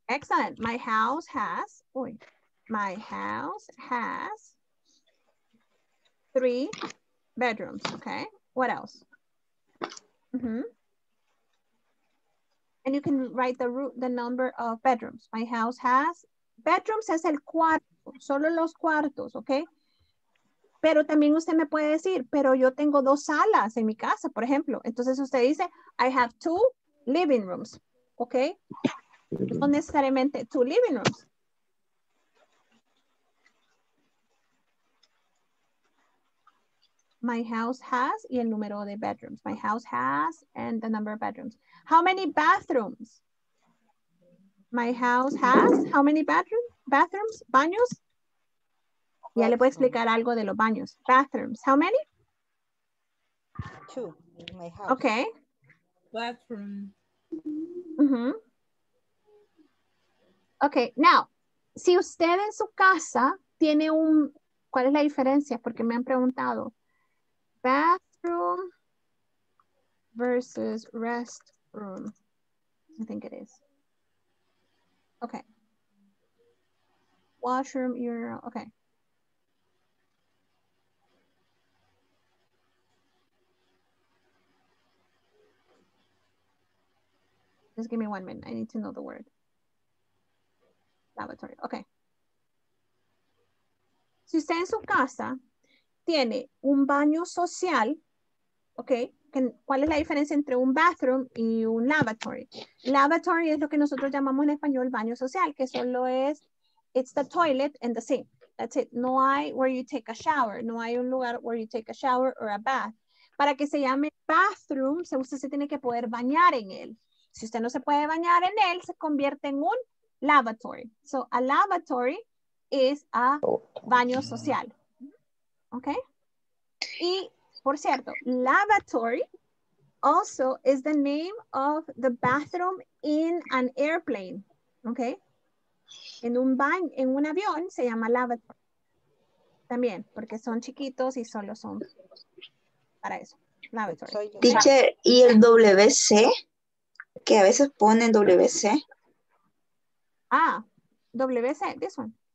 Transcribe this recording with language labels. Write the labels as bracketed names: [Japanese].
[English] Excellent. My house has, oy, my house has three bedrooms. Okay. What else? Mm-hmm. And you can write the number of bedrooms. My house has bedrooms, [Spanish] es el cuarto, solo los cuartos, [English] okay? [Spanish] Pero también usted me puede decir, pero yo tengo dos salas en mi casa, por ejemplo. Entonces usted dice, [English] I have two living rooms, okay? [Spanish] No necesariamente [English] two living rooms. My house has, [Spanish] y el número de [English] bedrooms. My house has, and the number of bedrooms. How many bathrooms? My house has, how many bathrooms? Baños? [Spanish] Ya le puedo explicar algo de los baños. [English] Bathrooms, how many? Two, in my house. Okay. Bathroom. Mm-hmm. [Spanish] Okay, now, si usted en su casa tiene un, ¿cuál es la diferencia? Porque me han preguntado. [English] Bathroom versus restroom, I think it is. Okay. Washroom, urinal, okay. Just give me 1 minute, I need to know the word. Lavatory, okay. [Spanish] Si usted en su casa tiene un baño social, okay, ¿cuál es la diferencia entre un bathroom y un lavatory? Lavatory es lo que nosotros llamamos en español baño social, que solo es, [English] it's the toilet and the sink. That's it. [Spanish] No hay [English] where you take a shower. [Spanish] No hay un lugar [English] where you take a shower or a bath. [Spanish] Para que se llame bathroom, usted se tiene que poder bañar en él. Si usted no se puede bañar en él, se convierte en un lavatory. [English] So a lavatory is a baño social. Okay. [Spanish] Y por cierto, [English] lavatory also is the name of the bathroom in an airplane. Okay. [Spanish] En un baño, en un avión se llama lavatory. También, porque son chiquitos y solo son para eso. [English] Lavatory. [Spanish] Teacher, ¿y el WC? Que a veces ponen WC. [English] Ah, WC, this one.